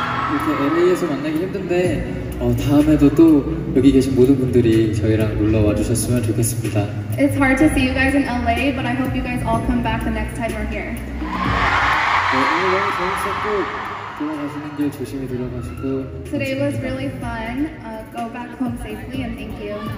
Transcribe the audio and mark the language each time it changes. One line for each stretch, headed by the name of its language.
Korean: 이렇게 LA에서 만나기 힘든데 다음에도 또 여기 계신 모든 분들이 저희랑 놀러 와주셨으면 좋겠습니다.
English: It's hard to see you guys in LA, but I hope you guys all come back the next time we're here.
Korean: 네, 오늘 너무 재밌었고 돌아가시는 길 조심히 돌아가시고
English: Today was really fun. Go back home safely and thank you.